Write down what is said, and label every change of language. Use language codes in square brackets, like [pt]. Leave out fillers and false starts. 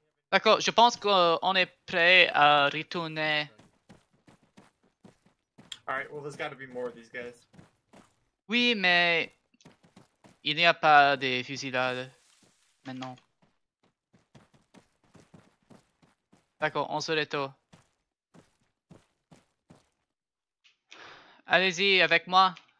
[fr] D'accord, je pense qu'on est prêt à retourner. [en] Alright, well, there's gotta be more of these guys. [fr] Oui, mais il n'y a pas de fusillade maintenant. D'accord, on se retourne. Allez-y, avec moi.